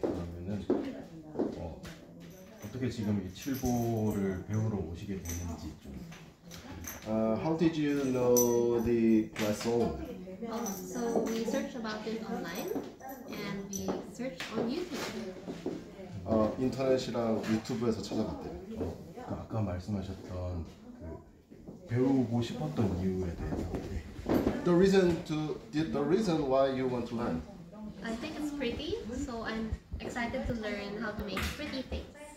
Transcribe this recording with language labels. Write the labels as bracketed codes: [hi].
[ko] 그러면은 어떻게 지금 이 칠보를 배우러 오시게 됐는지 좀. [en] How did you know the class on? Oh, so we searched about it online and we searched on YouTube. [ko] 인터넷이랑 유튜브에서 찾아봤대요. 아까 말씀하셨던 그 배우고 싶었던 이유에 대해서. 네. [en] The reason why you want to learn? I think it's pretty, so I'm excited to learn how to make pretty things.